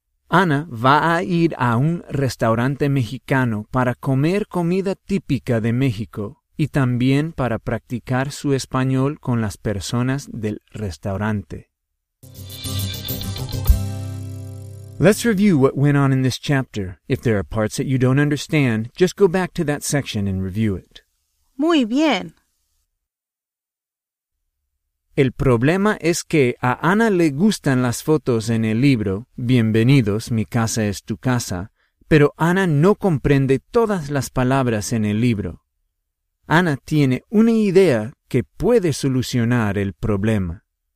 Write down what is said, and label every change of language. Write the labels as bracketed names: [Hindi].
[Spanish] Ana va a ir a un restaurante mexicano para comer comida típica de México y también para practicar su español con las personas del restaurante. [English] Let's review what went on in this chapter. If there are parts that you don't understand, just go back to that section and review it. [Spanish] Muy bien. El problema es que a Ana le gustan las fotos en el libro, Bienvenidos, mi casa es tu casa, pero Ana no comprende todas las palabras en el libro. Ana tiene una idea que puede solucionar el problema.